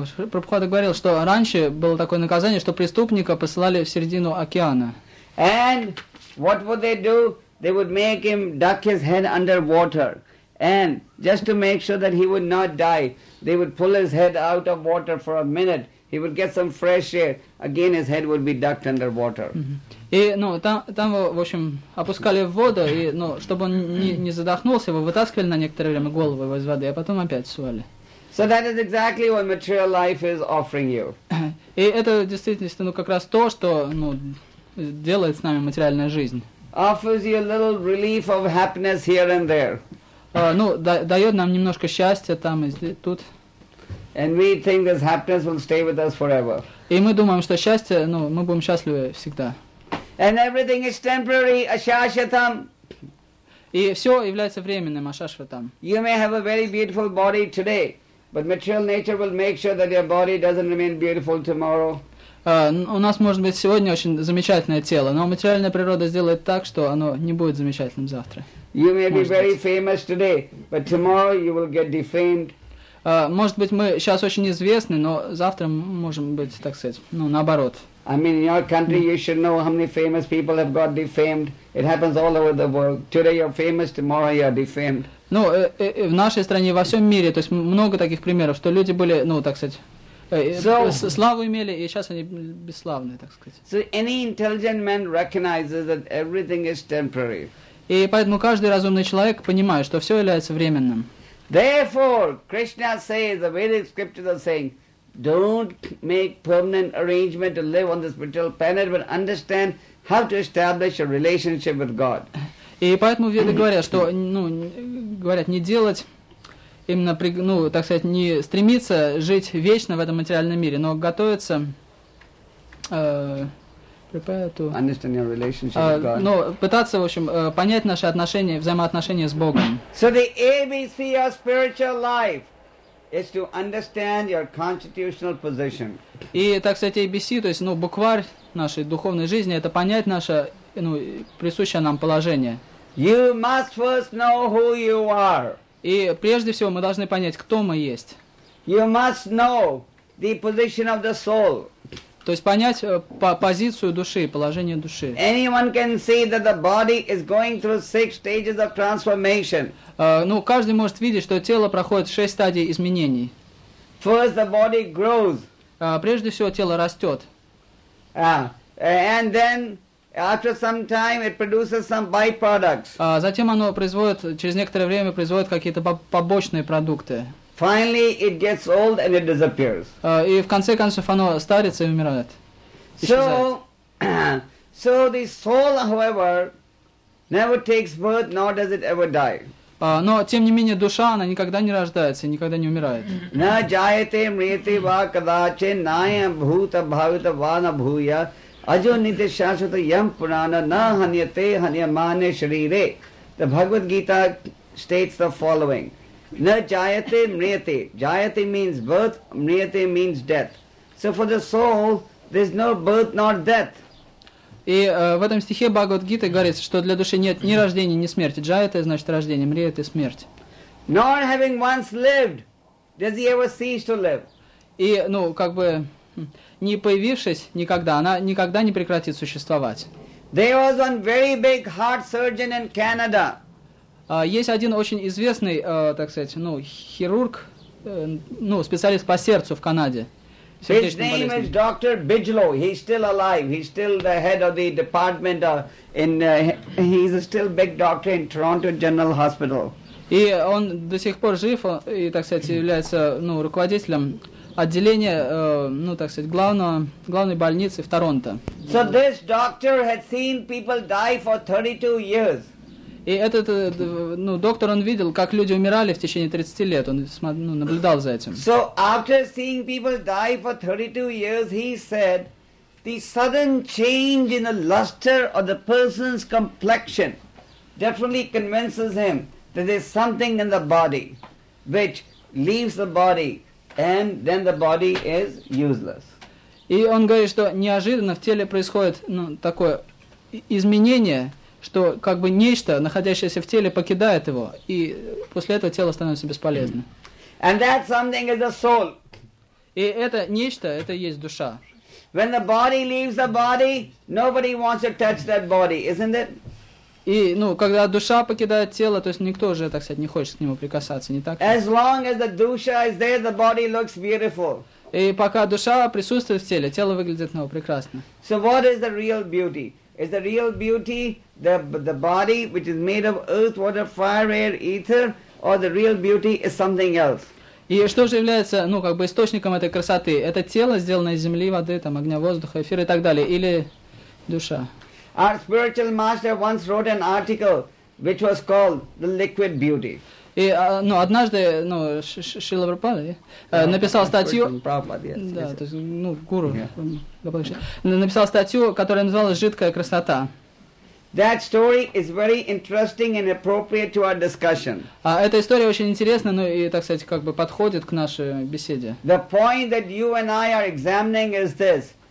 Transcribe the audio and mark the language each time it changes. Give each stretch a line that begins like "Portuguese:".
Russian: Прабхупада говорил, что раньше было такое наказание, что преступника посылали в середину океана.
English: And what would they do? They would make him duck his head under water. And just to make sure that he would not die, they would pull his head out of water for a minute. He would get some fresh air. Again his head would be ducked under water.
Russian: И, ну, там его, в общем, опускали в воду, и, ну, чтобы он не задохнулся, его вытаскивали на некоторое время голову его из воды, а потом опять сували.
English: So that is exactly what material life is offering you.
Russian: И это действительно, ну, как раз то, что, ну, делает с нами материальная жизнь.
English: Offers you a little relief of happiness here and there.
Russian: Ну, дает нам немножко счастья там и тут.
English: And we think this happiness will stay with us forever.
Russian: И мы думаем, что счастье, ну, мы будем счастливы всегда.
English: And everything is temporary, ashashvatam.
Russian: И все является временным, ashashvatam.
English: You may have a very beautiful body today, but material nature will make sure that your body doesn't remain beautiful tomorrow.
Russian: У нас может быть сегодня очень замечательное тело, но материальная природа сделает так, что оно не будет замечательным завтра.
English: You may be very famous today, but tomorrow you will get defamed.
Russian: Может быть, мы сейчас очень известны, но завтра мы можем быть, так сказать, ну, наоборот.
English: I mean, in your country, you should know how many famous people have got defamed. It happens all over the world. Today you're famous, tomorrow you're defamed.
Russian: Ну, в нашей стране, во всем мире, то есть много таких примеров, что люди были, ну, так сказать, славу имели, и сейчас они бесславные, так сказать.
English: So any intelligent man recognizes that everything is temporary.
Russian: И поэтому каждый разумный человек понимает, что все является временным.
English: Therefore, Krishna says, the Vedic scriptures are saying, don't make permanent arrangement to live on this material planet, but understand how to establish a relationship with God.
Russian: И поэтому веды говорят, что, ну, говорят, не делать, именно, ну, так сказать, не стремиться жить вечно в этом материальном мире, но готовиться,
English: prepare to... Understand your relationship with God.
Russian: Ну, пытаться, в общем, понять наши отношения, взаимоотношения с Богом.
English: So the ABC of spiritual life is to understand your constitutional position.
Russian: И, так сказать, ABC, то есть, ну, букварь нашей духовной жизни, это понять наше, ну, присущее нам положение.
English: You must first know who you are.
Russian: И прежде всего мы должны понять, кто мы есть.
English: You must know the position of the soul.
Russian: То есть понять позицию души, положение души.
English: Anyone can see that the body is going through six stages of transformation.
Russian: Ну, каждый может видеть, что тело проходит шесть стадий изменений.
English: First the body grows.
Russian: Прежде всего тело растет.
English: And then after some time it produces some byproducts.
Russian: Затем оно производит, через некоторое время производит какие-то побочные продукты.
English: Finally, it gets old and it disappears.
Russian: И в конце концов оно старится и умирает.
English: So the soul, however, never takes birth, nor does it ever die.
Russian: Но тем не менее душа она никогда не рождается, никогда не умирает.
Sanskrit: На джаяте мрити ва кадаче наям бхута бхавита вана бхуя аджо нити шашвата ям пурана на ханьяте ханьямане шрире.
English: The Bhagavad Gita states the following.
Sanskrit: На джаяте мрити.
English: Джаяте means birth, мрити means death. So for the soul, there's no birth nor death.
Russian: И в этом стихе Бхагавад-гиты говорится, что для души нет ни рождения, ни смерти. Джаяте значит рождение, мриете смерть.
English: Not having once lived, does he ever cease to live?
Russian: И, ну, как бы, не появившись никогда, она никогда не прекратит существовать.
English: There was one very big heart surgeon in Canada.
Russian: Есть один очень известный, так сказать, ну, хирург, ну, специалист по сердцу в Канаде.
English: His name is Dr. Bigelow. He's still alive. He's still the head of the department in. He's a still big doctor in Toronto General Hospital.
Russian: И он до сих пор жив и, так сказать, является ну руководителем отделения ну так сказать главной больницы в Торонто.
English: So this doctor had seen people die for 32 years.
Russian: И этот ну доктор он видел, как люди умирали в течение 30 лет. Он ну, наблюдал за этим.
English: So after seeing people die for 32 years, he said, the sudden change in the luster of the person's complexion definitely convinces him that there's something in the body which leaves the body, and then the body is useless.
Russian: И он говорит, что неожиданно в теле происходит ну такое изменение, что как бы нечто, находящееся в теле, покидает его, и после этого тело становится бесполезным.
English: And that something is the soul.
Russian: И это нечто, это и есть душа.
English: When the body leaves the body, nobody wants to touch that body, isn't it?
Russian: И, ну, когда душа покидает тело, то есть никто уже, так сказать, не хочет к нему прикасаться, не так?
English: As long as the dusha is there, the body looks beautiful.
Russian: И пока душа присутствует в теле, тело выглядит, ну, прекрасно.
English: So what is the real beauty? Is the real beauty the body which is made of earth, water, fire, air, ether, or the real beauty is something else?
Russian: И что же является, ну, как бы источником этой красоты? Это тело, сделанное из земли, воды, там, огня, воздуха, эфира и так далее, или душа?
English: Our spiritual master once wrote an article which was called The Liquid Beauty.
Russian: И, ну, однажды, ну, Шрила Прабхупада, написал статью, да, то есть, ну, гуру, написал статью, которая называлась «Жидкая красота».
English: That story is very interesting and appropriate to our discussion.
Russian: Эта история очень интересна, ну, и, так сказать, как бы подходит к нашей беседе.
English: The point that you and I are examining is this.